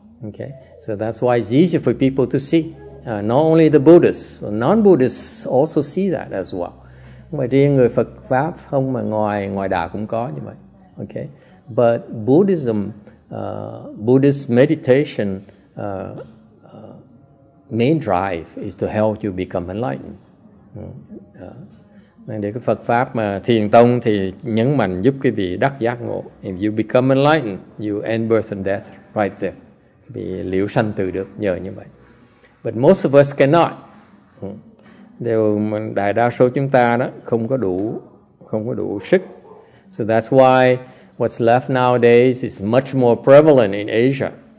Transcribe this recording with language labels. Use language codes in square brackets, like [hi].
[en] Okay, so that's why it's easy for people to see. Not only the Buddhists, non-Buddhists also see that as well. [vi] Ngoài riêng người Phật pháp không, mà ngoài đạo cũng có như vậy. [en] Okay, but Buddhism, Buddhist meditation main drive is to help you become enlightened. [vi] Nên để cái Phật pháp mà thiền tông thì nhấn mạnh giúp quý vị đắc giác ngộ. [en] If you become enlightened, you end birth and death right there. [vi] Vì liễu sanh tử được nhờ như vậy. [en] But most of us cannot. [vi] Đều đại đa số chúng ta đó không có đủ sức. [en] So that's why what's left nowadays is much more prevalent in Asia.